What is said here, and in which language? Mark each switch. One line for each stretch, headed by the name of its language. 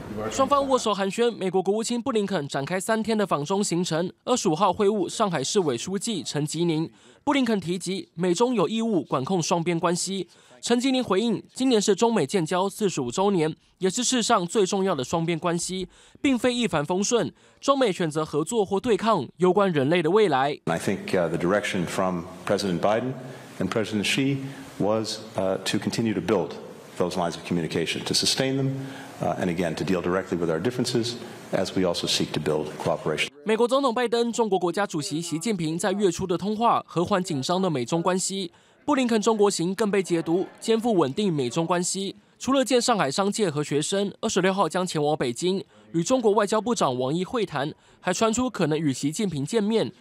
Chinese: 双方握手寒暄，美国国务卿布林肯展开3天的访中行程，25号会晤上海市委书记陈吉宁。布林肯提及美中有义务管控双边关系，陈吉宁回应，今年是中美建交45周年，也是世上最重要的双边关系，并非一帆风顺。中美选择合作或对抗，攸关人类的未来。
English: I think the direction from President Biden and President Xi was to continue to build. Those lines of communication to sustain them, and again to deal directly with our differences, as we also seek to build cooperation.
Chinese: 美国总统拜登、中国国家主席习近平在月初的通话，和缓紧张的美中关系。布林肯中国行更被解读肩负稳定美中关系。除了见上海商界和学生，26号将前往北京与中国外交部长王毅会谈，还传出可能与习近平见面。